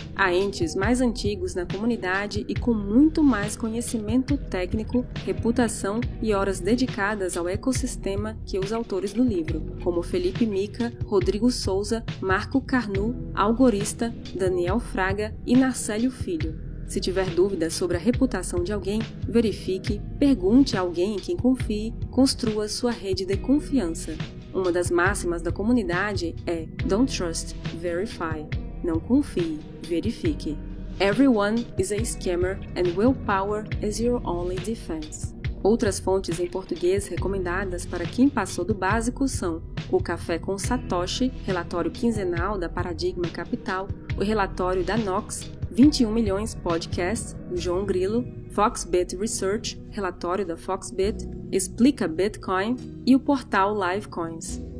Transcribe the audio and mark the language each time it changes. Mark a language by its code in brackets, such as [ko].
[pt] Há entes mais antigos na comunidade e com muito mais conhecimento técnico, reputação e horas dedicadas ao ecossistema que os autores do livro, como Felipe Mica, Rodrigo Souza, Marco Carnu, Algorista, Daniel Fraga e Narcélio Filho. Se tiver dúvidas sobre a reputação de alguém, verifique, pergunte a alguém em quem confie, construa sua rede de confiança. Uma das máximas da comunidade é [en] Don't trust, verify. [pt] Não confie, verifique. [en] Everyone is a scammer and willpower is your only defense. [pt] Outras fontes em português recomendadas para quem passou do básico são O Café com Satoshi, relatório quinzenal da Paradigma Capital, o relatório da Nox, 21 milhões podcast, João Grilo, Foxbit Research, relatório da Foxbit, Explica Bitcoin e o portal Livecoins.